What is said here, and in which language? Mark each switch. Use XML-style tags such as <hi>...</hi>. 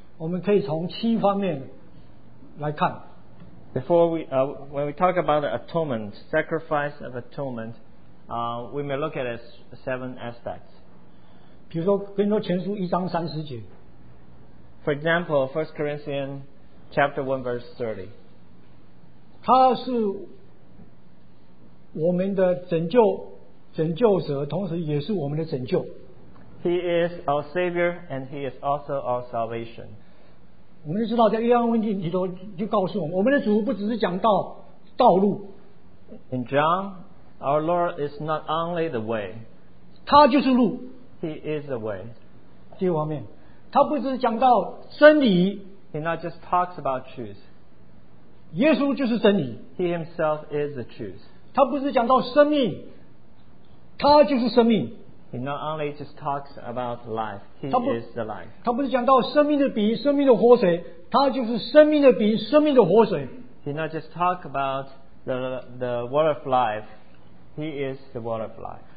<zh>在我们讲到挽回祭之前，我们可以从七方面来看。</zh> <en>Before we, when we talk about the atonement, sacrifice of atonement, we may look at it as seven aspects.</en> <zh>比如说，跟说前书一章三十节。</zh> <en>For example, 1 Corinthians chapter 1 verse 30.</en> <zh>他是我们的拯救者，同时也是我们的拯救。</zh> <en>He is our Savior and He is also our salvation.</en> <zh>我们就知道在约翰福音里头就告诉我们，我们的主不只是讲道路。</zh> <en>In John, our Lord is not only the way.</en> <zh>他就是路。</zh> <en>He is the way.</en> <zh>第一方面。他不只是讲到真理,</zh> <en>he not just talks about truth.</en> <zh>耶稣就是真理,</zh> <en>he himself is the truth.</en> <zh>他不只是讲到生命, 他就是生命,</zh> <en>he not only just talks about life, he</en> <zh>他不,</zh> <en>is the life.</en> <zh>他不是讲到生命的饼, 他就是生命的饼,</zh> <en>he not just talks about the water of life, he is the water of life.</en>